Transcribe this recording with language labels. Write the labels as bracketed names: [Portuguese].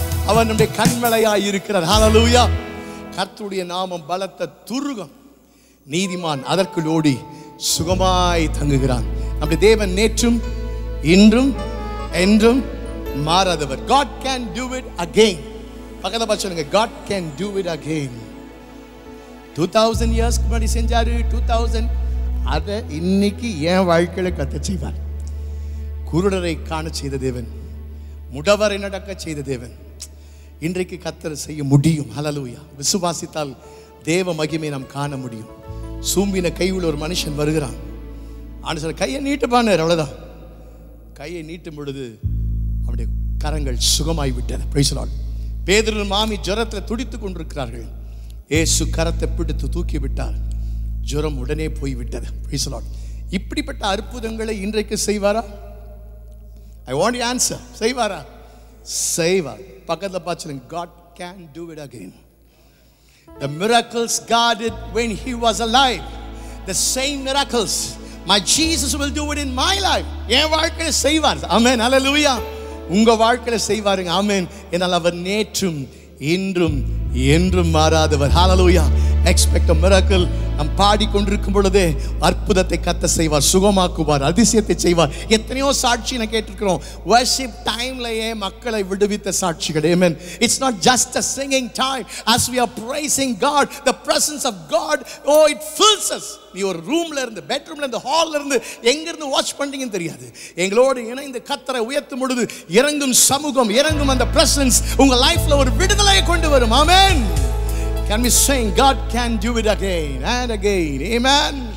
[Tamil] அவர் நம்முடைய கண்மலையாய் இருக்கிறார். ஹல்லேலூயா. கர்த்தருடைய நாமம் பலத்த துருகம். நீதிமான் அதற்குள் ஓடி சுகமாய் தங்குகிறான். நம்முடைய தேவன் நேற்றும் இன்றும் என்றும் மாறாதவர். [English] God can do it again. [Tamil] பக்கத்தை பார்த்து சொல்லுங்க, [English] God can do it again. [Tamil] 2000 years முன்னாடி செஞ்சாரு, 2000 அதை இன்னைக்கு என் வாழ்க்கையில கத்த செய்வார். குருடரை காண செய்த தேவன், முடவரை நடக்க செய்த தேவன் இன்றைக்கு கர்த்தர் செய்ய முடியும். ஹல்லேலூயா. விசுவாசித்தால் தேவ மகிமை நாம் காண முடியும். சூம்பின கையுள்ள ஒரு மனுஷன் வருகிறான். ஆனால் சில கையை நீட்டுப்பானார், அவ்வளோதான். கையை நீட்டும் பொழுது அவனுடைய கரங்கள் சுகமாகி விட்டன. பொய் சொல்லால் பேதுரு மாமி ஜுரத்தில் துடித்து கொண்டிருக்கிறார்கள். ஏசு கரத்தை பிடித்து தூக்கி விட்டார், ஜுரம் உடனே போய்விட்டது. பொய் சொல்லால் இப்படிப்பட்ட அற்புதங்களை இன்றைக்கு செய்வாரா? [English] I want you answer. [Tamil] செய்வாரா? செய்வார். பக்கத்தில் பார்த்துருங்க, [English] God can do it again. The miracles God did when he was alive, the same miracles my Jesus will do it in my life. [Tamil] என் வாழ்க்கையில செய்வார். ஆமென். ஹalleluya. உங்க வாழ்க்கையில செய்வாருங்க. ஆமென். என்னால அவர் நேற்றும் இன்றும் என்றும் மாறாதவர். ஹalleluya. [English] Expect a miracle. [Tamil] நாம் பாடிக்கொண்டிருக்கும் பொழுதே அற்புதத்தை கர்த்தர் செய்வார், சுகமாக்குவார், அதிசயத்தை செய்வார். எத்தனையோ சாட்சி நான் கேட்டிருக்கிறோம், வர்ஷிப் டைம்லயே மக்களை விடுவித்த சாட்சிகள். ஆமென். [English] It's not just a singing time. As we are praising God, the presence of God, oh it fills us. [Tamil] நீ ஒரு ரூம்ல இருந்து, பெட்ரூம்ல இருந்து, ஹால்ல இருந்து, எங்க இருந்து வாட்ச் பண்றீங்கன்னு தெரியாது. எங்களோடு இணைந்து கர்த்தரை உயர்த்தும் பொழுது இறங்கும் சமூகம், இறங்கும் அந்த பிரசன்ஸ் உங்க லைஃப்ல ஒரு விடுதலையை கொண்டு வரும். ஆமென். [English] Can we sing, God can do it again and again. Amen.